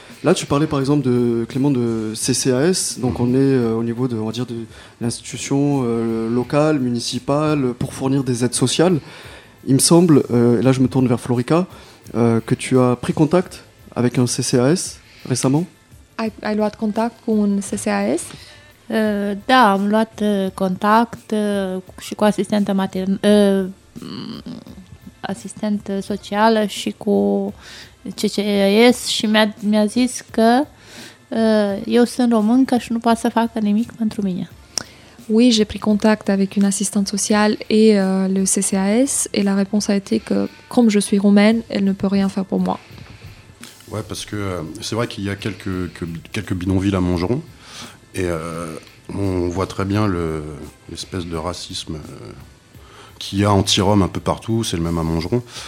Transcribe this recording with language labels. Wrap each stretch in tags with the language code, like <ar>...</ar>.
<fr>Là, tu parlais par exemple de Clément de CCAS. Donc, on est au niveau de, on va dire, de l'institution locale, municipale, pour fournir des aides sociales. Il me semble, et là je me tourne vers Florica, que tu as pris contact avec un CCAS récemment.</fr> <ro>Ai luat contact cu un CCAS? Da, am luat contact și cu asistentă asistentă socială și cu CCAS și mi-a zis că eu sunt româncă și nu poate să facă nimic pentru mine.</ro> <fr>Oui, j'ai pris contact avec une assistante sociale et le CCAS et la réponse a été que comme je suis roumaine, elle ne peut rien faire pour moi. Ouais, parce que c'est vrai qu'il y a quelques bidonvilles à Montgeron et on voit très bien l'espèce de racisme qu'il y a anti-Rome un peu partout, c'est le même à Montgeron.</fr>